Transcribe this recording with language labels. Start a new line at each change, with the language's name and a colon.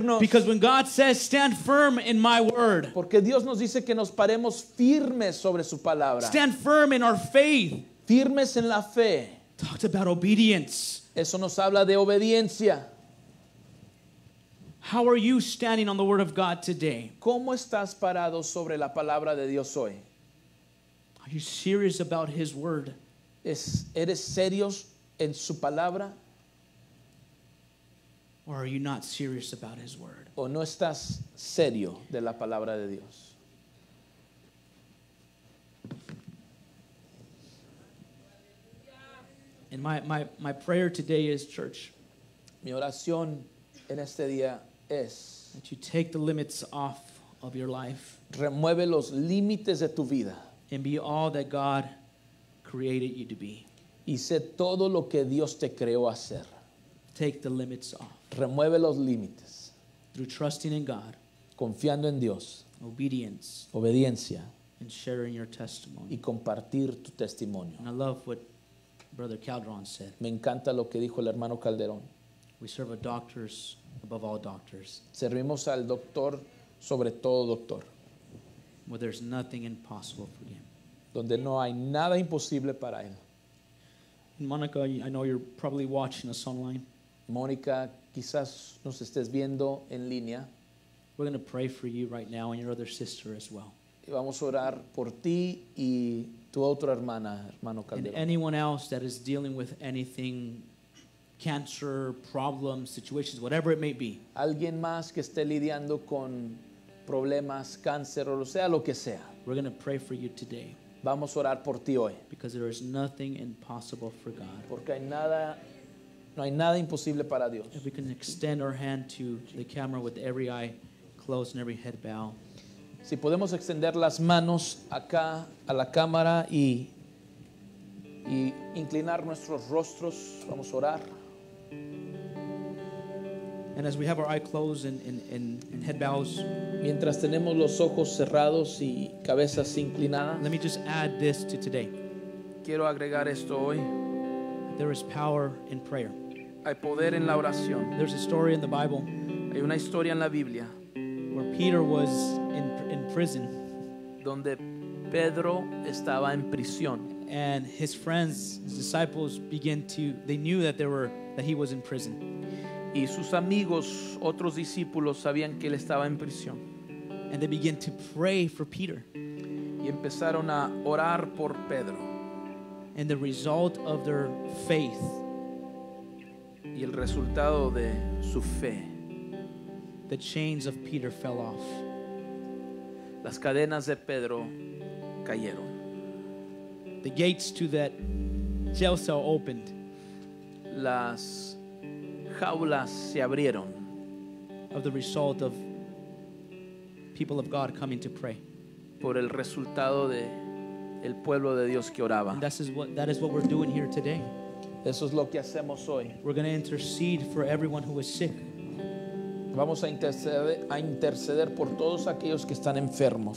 English: Because when God says stand firm in my word,
Spanish: porque Dios nos dice que nos paremos firmes sobre su palabra.
English: Stand firm in our faith,
Spanish: firmes en la fe.
English: Talks about obedience.
Spanish: Eso nos habla de obediencia.
English: How are you standing on the word of God today?
Spanish: ¿Cómo estás parado sobre la palabra de Dios hoy?
English: Are you serious about his word?
Spanish: ¿Eres serios en su palabra?
English: Or are you not serious about his word?
Spanish: O no estás serio de la palabra de Dios.
English: And my prayer today is, church.
Spanish: Mi oración en este día es
English: that you take the limits off of your life.
Spanish: Remueve los límites de tu vida.
English: And be all that God created you to be.
Spanish: Y sé todo lo que Dios te creó a ser.
English: Take the limits off.
Spanish: Remueve los límites.
English: Through trusting in God.
Spanish: Confiando en Dios.
English: Obedience.
Spanish: Obediencia.
English: And sharing your testimony.
Spanish: Y compartir tu testimonio.
English: And I love what Brother Calderon said.
Spanish: Me encanta lo que dijo el hermano Calderón.
English: We serve a doctors above all doctors.
Spanish: Servimos al doctor sobre todo doctor.
English: Where there's nothing impossible for him.
Spanish: Donde no hay nada imposible para él.
English: Monica, I know you're probably watching us online.
Spanish: Mónica, quizás nos estés viendo en línea.
English: We're going to pray for you right now and your other sister as well.
Spanish: Y vamos a orar por ti y tu otra hermana, hermano Calderón.
English: And anyone else that is dealing with anything, cancer, problems, situations, whatever it may be.
Spanish: Alguien más que esté lidiando con problemas, cáncer, o sea, lo que sea.
English: We're going to pray for you today.
Spanish: Vamos a orar por ti hoy.
English: Because there is nothing impossible for God.
Spanish: Porque hay nada... No hay nada imposible para Dios.
English: If we can extend our hand to the camera with every eye closed and every head bowed.
Spanish: Si podemos extender las manos acá a la cámara y inclinar nuestros rostros, vamos a orar.
English: And as we have our eye closed and head bows,
Spanish: mientras tenemos los ojos cerrados y cabezas inclinadas,
English: let me just add this to today.
Spanish: Quiero agregar esto hoy.
English: There is power in prayer.
Spanish: Hay poder en la oración.
English: There's a story in the Bible.
Spanish: Hay una historia en la Biblia.
English: Where Peter was in prison.
Spanish: Donde Pedro estaba en prisión.
English: And his friends, his disciples began to, they knew that they were, that he was in prison.
Spanish: Y sus amigos, otros discípulos, sabían que él estaba en prisión.
English: And they began to pray for Peter.
Spanish: Y empezaron a orar por Pedro.
English: And the result of their faith.
Spanish: Y el resultado de su fe.
English: The chains of Peter fell off.
Spanish: Las cadenas de Pedro cayeron.
English: The gates to that jail cell opened.
Spanish: Las jaulas se abrieron.
English: Of the result of people of God coming to pray.
Spanish: Por el resultado de el pueblo de Dios que oraba.
English: That is what we're doing here today.
Spanish: Eso es lo que hacemos hoy.
English: We're going to intercede for everyone who is sick.
Spanish: Vamos a interceder por todos aquellos que están enfermos.